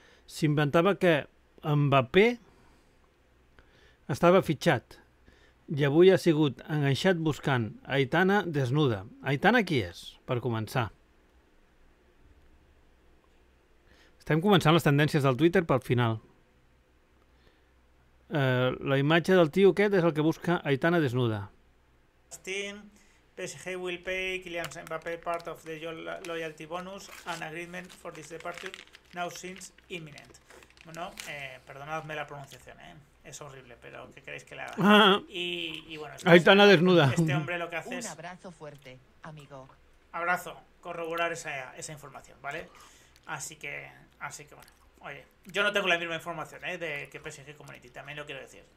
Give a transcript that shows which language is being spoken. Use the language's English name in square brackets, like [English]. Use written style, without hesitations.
[Catalan] S'inventava que Mbappé estava fitxat i avui ha sigut enganxat buscant Aitana desnuda. Aitana qui és, per començar? Estem començant les tendències del Twitter pel final. La imatge del tio aquest és el que busca Aitana desnuda. [English] Team, PSG will pay Kylian Mbappé part of the loyalty bonus and agreement for this departure now seems imminent. [Spanish] Bueno, perdonadme la pronunciación, ¿eh? Es horrible, pero ¿qué queréis que le haga? Y bueno, Aitana desnuda. Este hombre lo que hace es... Un abrazo fuerte, amigo. Abrazo, corroborar esa información, ¿vale? Así que bueno. Oye, yo no tengo la misma información, de que PSG Community, también lo quiero decir.